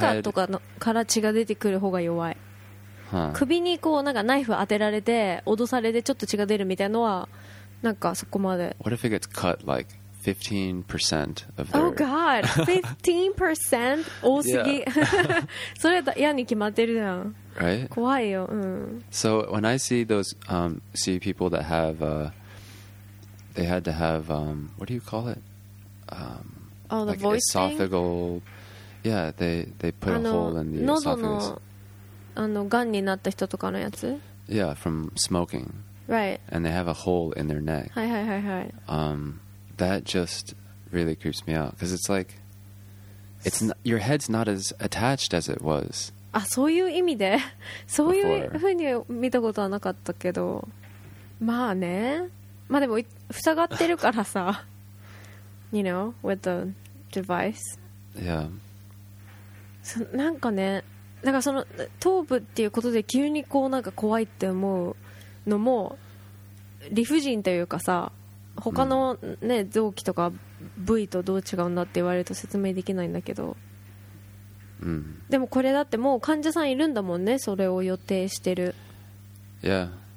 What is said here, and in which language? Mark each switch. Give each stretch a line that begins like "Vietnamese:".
Japanese: 私、目とか耳の中とかから血が出てくる方が弱い。首にこうなんかナイフ当てられて脅されてちょっと血が出るみたいなのはなんかそこまで。
English: What if it gets cut like 15% of their... Oh god, 15%?
Japanese: 多すぎ。それは嫌に決まってるじゃん。
English: Right?
Japanese: 怖いよ。
English: So when I see those, see people that have, they had to have, what do you call it? Oh, the voice thing? Like esophageal... Yeah, they put a hole in the esophagus.
Japanese: あの、癌になった人とかのやつ?
English: Yeah, from smoking. Right. And they have a hole in their neck.
Japanese: はいはいはいはい。
English: That just really creeps me out. Because it's like, your head's not as attached as it was.
Japanese: あ、そういう意味で? そういうふうに見たことはなかったけど。まあね。まあでも、塞がってるからさ。
English: You know, with the device. Yeah.
Japanese: なんかね。だからその頭部っていうことで急にこうなんか怖いって思うのも理不尽というかさ、他のね臓器とか部位とどう違うんだって言われると説明できないんだけど。でもこれだってもう患者さんいるんだもんね、それを予定してる。Yeah,